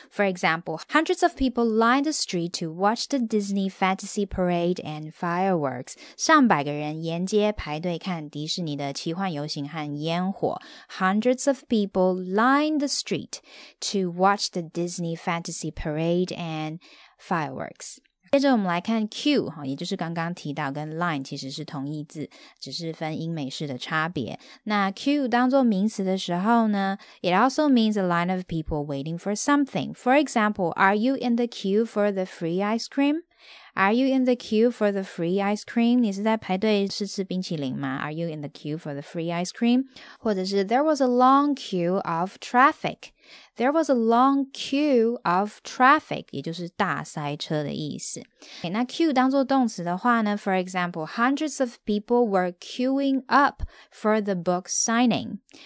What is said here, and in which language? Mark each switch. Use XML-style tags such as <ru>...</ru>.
<en>For example, hundreds of people lined the street to watch the Disney Fantasy Parade and fireworks.</en> <zh>上百个人沿街排队看迪士尼的奇幻游行和烟火。</zh> <en>Hundreds of people lined the street to watch the Disney Fantasy Parade and fireworks.</en> <zh>接着我们来看 Q， 也就是刚刚提到跟 line 其实是同义字，只是分英美式的差别。那 Q 当作名词的时候呢，</zh> <en>It also means a line of people waiting for something. For example, are you in the queue for the free ice cream? Are you in the queue for the free ice cream?</en> <zh>你是在排队试吃冰淇淋吗？</zh> <en>Are you in the queue for the free ice cream?</en> <zh>或者是</zh> <en>There was a long queue of traffic. There was a long queue of traffic.</en> <zh>也就是大塞车的意思。</zh> <en>Okay,</en> <zh>那 queue 当作动词的话呢，</zh> <en>For example, hundreds of people were queuing up for the book signing.</en>